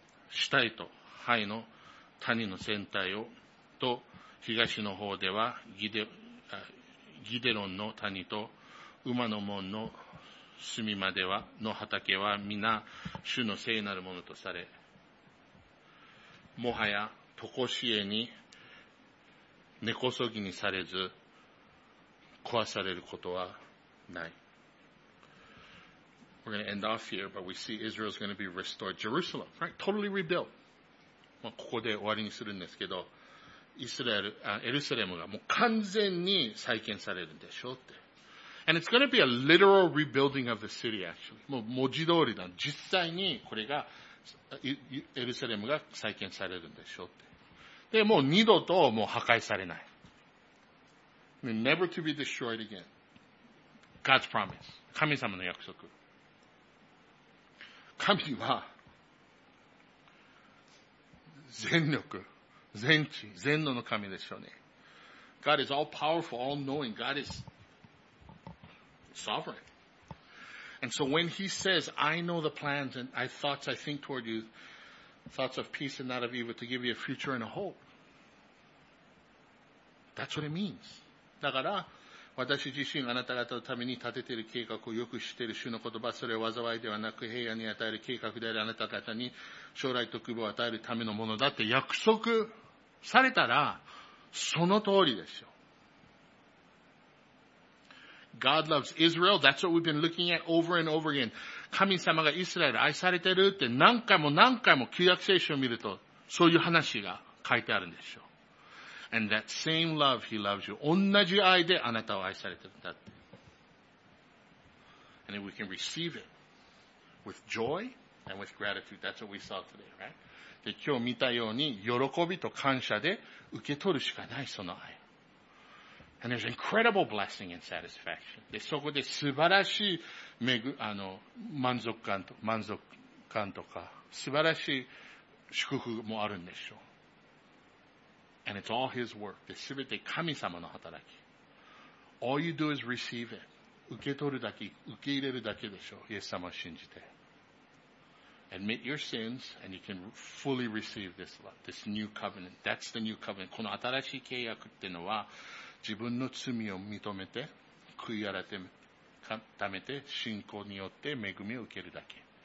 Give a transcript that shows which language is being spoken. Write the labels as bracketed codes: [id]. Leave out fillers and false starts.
[ja] シタイとハイの谷の全体を、と、東の方ではギデロンの谷と、馬の門の隅までは、の畑は皆、主の聖なるものとされ、もはや、とこしえに、根こそぎにされず、壊されることはない。 [en] We're going to end off here, but we see Israel is going to be restored. Jerusalem, right? Totally rebuilt. [ja] まあ、ここで終わりにするんですけど、イスラエル、エルサレムがもう完全に再建されるんでしょうって。 And it's going to be a literal rebuilding of the city, actually. もう文字通りだ。実際にこれが、エルサレムが再建されるんでしょうって。で、もう二度ともう破壊されない。 [en] Never to be destroyed again. God's promise. [ja] 神様の約束。神は、全力、全知、全能の神でしょうね。 [en] God is all powerful, all knowing. God is sovereign. And so when he says, I know the plans and I thoughts I think toward you, thoughts of peace and not of evil, to give you a future and a hope. That's what it means. [ja] だから、私自身あなた方のために立てている計画をよく知っている主の言葉、それは災いではなく平安に与える計画であり、あなた方に将来と希望を与えるためのものだって約束されたら、その通りですよ。 [en] God loves Israel. That's what we've been looking at over and over again. [ja] 神様がイスラエル愛されてるって何回も何回も旧約聖書を見ると、そういう話が書いてあるんですよ。 [en] And that same love, he loves you. [ja] 同じ愛であなたを愛されてるんだって。 [en] And if we can receive it with joy and with gratitude, that's what we saw today, right? [ja] で、今日見たように、喜びと感謝で受け取るしかない、その愛。 [en] And there's incredible blessing and satisfaction. [ja] で、そこで素晴らしい満足感とか、素晴らしい祝福もあるんでしょう。 [en] And it's all his work. [ja] で、すべて神様の働き。 [en] All you do is receive it. [ja] 受け取るだけ、受け入れるだけでしょう。イエス様を信じて。 [en] Admit your sins and you can fully receive this love, this new covenant. That's the new covenant. [ja] この新しい契約っていうのは、自分の罪を認めて、悔い改めて、信仰によって恵みを受けるだけ。